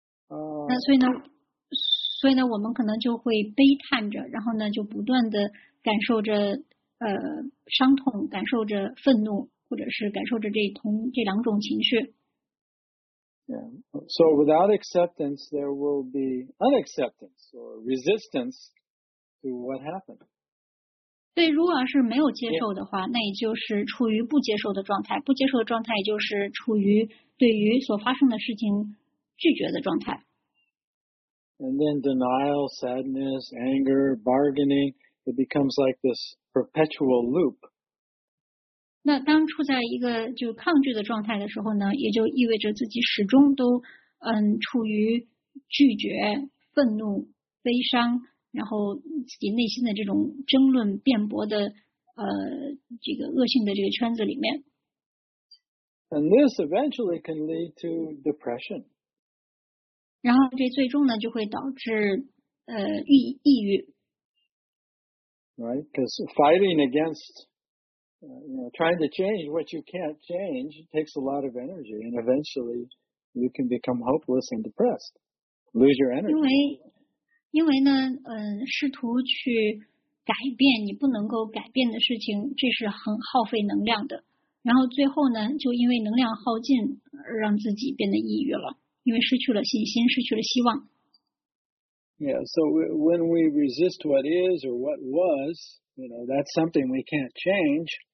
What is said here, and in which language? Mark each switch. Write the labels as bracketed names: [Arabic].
[Chinese] 那所以呢，我们可能就会悲叹着，然后呢就不断的感受着伤痛，感受着愤怒，或者是感受着这两种情绪。 [English] Yeah, so without acceptance, there will be unacceptance or resistance to what happened. [Chinese] 对，如果是没有接受的话，那也就是处于不接受的状态。不接受的状态，也就是处于对于所发生的事情拒绝的状态。 [English] And then denial, sadness, anger, bargaining, it becomes like this perpetual loop. [Chinese] 那当处在一个就抗拒的状态的时候呢，也就意味着自己始终都处于拒绝、愤怒、悲伤。然后自己内心的这种争论辩驳的这个恶性的这个圈子里面。 [English] And this eventually can lead to depression. [Chinese] 然后这最终呢就会导致抑郁。 [English] Right, because fighting against, you know, trying to change what you can't change takes a lot of energy and eventually you can become hopeless and depressed. Lose your energy. [Chinese] 因为呢，试图去改变你不能够改变的事情，这是很耗费能量的。然后最后呢，就因为能量耗尽，而让自己变得抑郁了，因为失去了信心，失去了希望。 [English] Yeah, so when we resist what is or what was, you know, that's something we can't change.